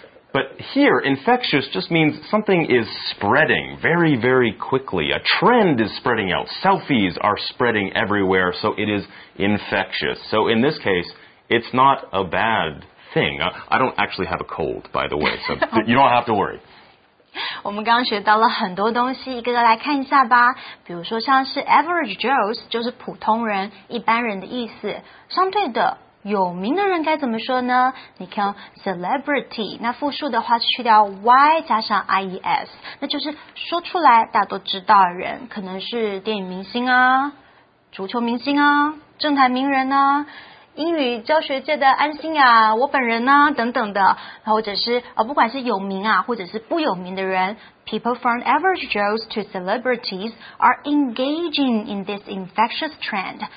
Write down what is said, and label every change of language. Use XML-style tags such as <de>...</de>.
<en>But here, infectious just means something is spreading very, very quickly. A trend is spreading out. Selfies are spreading everywhere, so it is infectious. So in this case, it's not a bad thing. I don't actually have a cold, by the way, so you don't have to worry.</en> <zh>我们刚学到了很多东西，一个个来看一下吧。比如说像是 average Joes, 就是普通人、一般人的意思。相对的。有名的人该怎么说呢？你看 celebrity， 那复数的话是去掉 y 加上 ies， 那就是说出来大家都知道的人，可能是电影明星啊、足球明星啊、政坛名人啊、英语教学界的安心啊、我本人啊等等的，或者是不管是有名啊或者是不有名的人。</zh> <en>People from average Joes to celebrities are engaging in this infectious trend.</en>